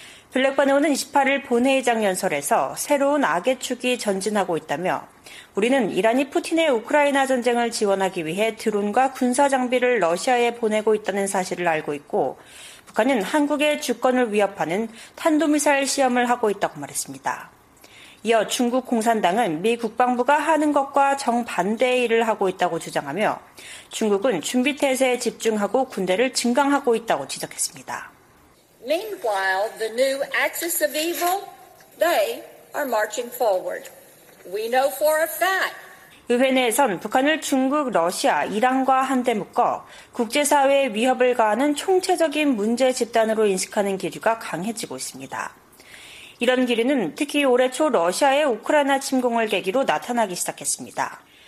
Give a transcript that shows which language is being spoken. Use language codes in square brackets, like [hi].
[ko] 블랙번 의원은 28일 본회의장 연설에서 새로운 악의 축이 전진하고 있다며 우리는 이란이 푸틴의 우크라이나 전쟁을 지원하기 위해 드론과 군사 장비를 러시아에 보내고 있다는 사실을 알고 있고 북한은 한국의 주권을 위협하는 탄도미사일 시험을 하고 있다고 말했습니다. 이어 중국 공산당은 미 국방부가 하는 것과 정반대의 일을 하고 있다고 주장하며 중국은 준비태세에 집중하고 군대를 증강하고 있다고 지적했습니다. [en] Meanwhile, the new axis of evil, they are marching forward. We know for a fact. [ko] 의회 내에선 북한을 중국, 러시아, 이란과 한데 묶어 국제사회에 위협을 가하는 총체적인 문제 집단으로 인식하는 기류가 강해지고 있습니다. 이런 기류는 특히 올해 초 러시아의 우크라이나 침공을 계기로 나타나기 시작했습니다.